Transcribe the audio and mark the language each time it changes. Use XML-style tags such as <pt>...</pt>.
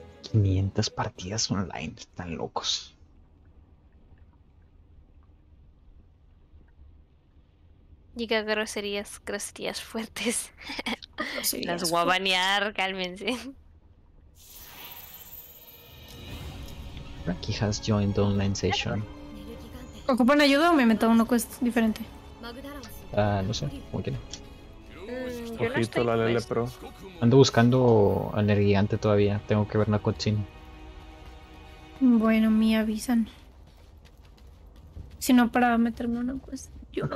<es>500 partidas online. Están locos. Diga groserías fuertes. Las voy a banear, cálmense.</es> <en>Frankie has joined online session.</en> <es>¿Ocupan ayuda o me meto a una quest diferente? No sé, ¿cómo quieren? Ojito, la Lele Pro. Ando buscando a Nergigante todavía, tengo que ver una cochina. Bueno, me avisan. Si no, para meterme a una quest. Yo ok.</es>